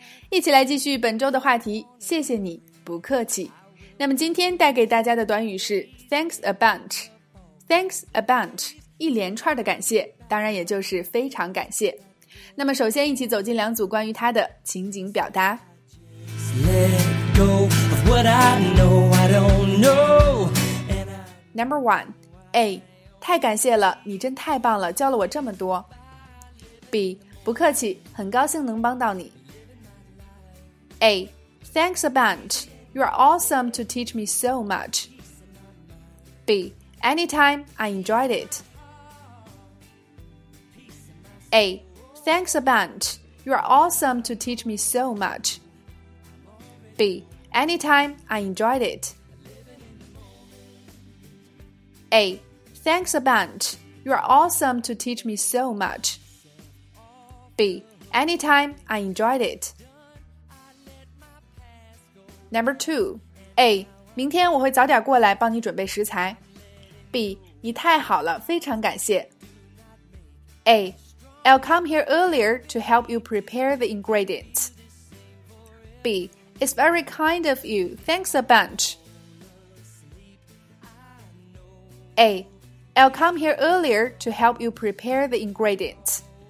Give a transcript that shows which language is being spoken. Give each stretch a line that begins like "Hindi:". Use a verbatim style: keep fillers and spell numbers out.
Chinese: 一起来继续本周的话题，谢谢你，不客气。那么今天带给大家的短语是
English: Thanks a bunch. Thanks a bunch.
Chinese: 一连串的感谢，当然也就是非常感谢。那么首先一起走进两组关于它的情景表达。
English: Let go of what I know, I don't know. Number one, A.
Chinese: 太感谢了，你真太棒了，教了我这么多。
English: B.
Chinese: 不客气，很高兴能帮到你。
English: A. Thanks a bunch. You're awesome to teach me so much. B. Anytime, I enjoyed it. A. Thanks a bunch. You're awesome to teach me so much. B. Anytime, I enjoyed it. A. Thanks a bunch. You're awesome to teach me so much. B. Anytime, I enjoyed it. Number two. A.
Chinese: 明天我会早点过来帮你准备食材。 B. 你太好了，非常感谢。A.
English: I'll come here earlier to help you prepare the ingredients. B. It's very kind of you. Thanks a bunch. A. I'll come here earlier to help you prepare the ingredients.